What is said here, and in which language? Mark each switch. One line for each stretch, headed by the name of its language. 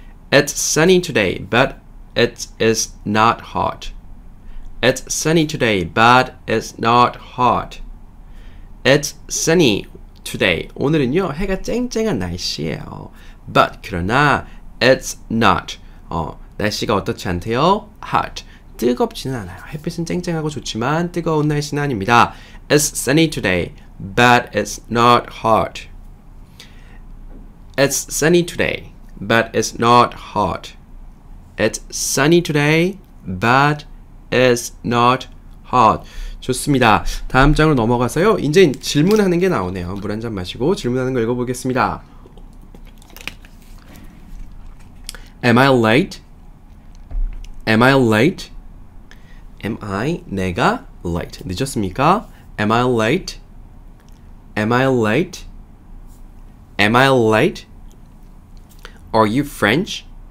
English: It's sunny today, but it is not hot. It's sunny today, but it's not hot. It's sunny today.
Korean: 오늘은요, 해가 쨍쨍한 날씨예요.
English: But,
Korean: 그러나,
English: it's not.
Korean: 날씨가 어떻지 않대요? Hot. 뜨겁지는 않아요. 햇빛은 쨍쨍하고 좋지만 뜨거운 날씨는 아닙니다.
English: It's sunny today, but it's not hot. It's sunny today, but it's not hot. It's sunny today, but is not hot.
Korean: 좋습니다. 다음 장으로 넘어가서요. 이제 질문하는 게 나오네요. 물 한 잔 마시고 질문하는 거 읽어보겠습니다.
English: Am I late? Am I late? Am I
Korean: 내가
English: late?
Korean: 늦었습니까?
English: Am I late? Am I late? Am I late? Are you French?